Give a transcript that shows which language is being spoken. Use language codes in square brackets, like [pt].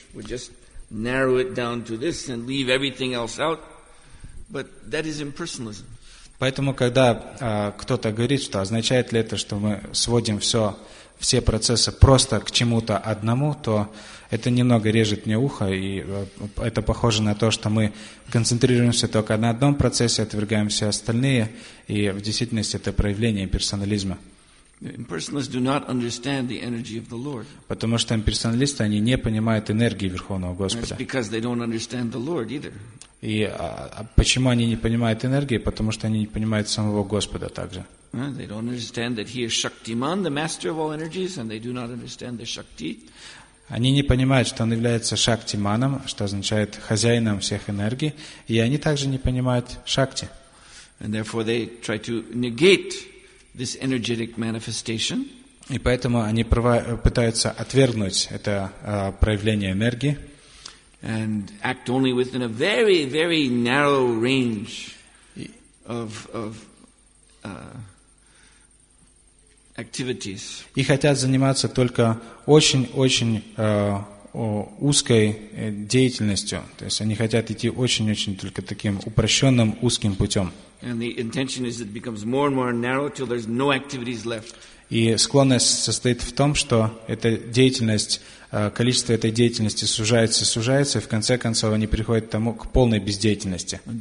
[en] We just narrow it down to this and leave everything else out. But that is impersonalism. [ru] Поэтому, когда кто-то говорит, что означает ли это, что мы сводим все процессы просто к чему-то одному, то это немного режет мне ухо, и это похоже на то, что мы концентрируемся только на одном процессе, отвергаем все остальные, и в действительности это проявление имперсонализма. [en] Impersonalists do not understand the energy of the Lord. [ru] Потому что имперсоналисты, они не понимают энергии Верховного Господа. [en] It's because they don't understand the Lord either. [ru] И почему они не понимают энергии? Потому что они не понимают самого Господа также. [en] They don't understand that he is Shaktiman, the master of all energies, and they do not understand the Shakti. [ru] Они не понимают, что он является шактиманом, что означает хозяином всех энергий, и они также не понимают шакти. [en] And therefore they try to negate this energetic manifestation. [ru] И поэтому они пытаются отвергнуть это проявление энергии. [en] And act only within a very, very narrow range of activities. [ru] И хотят заниматься только очень-очень узкой деятельностью. То есть они хотят идти очень-очень только таким упрощенным узким путем. [en] And the intention is it becomes more and more narrow till there's no activities left. [ru] И склонность состоит в том, что эта деятельность, количество этой деятельности сужается, сужается, и в конце концов они приходят к тому, к полной бездеятельности.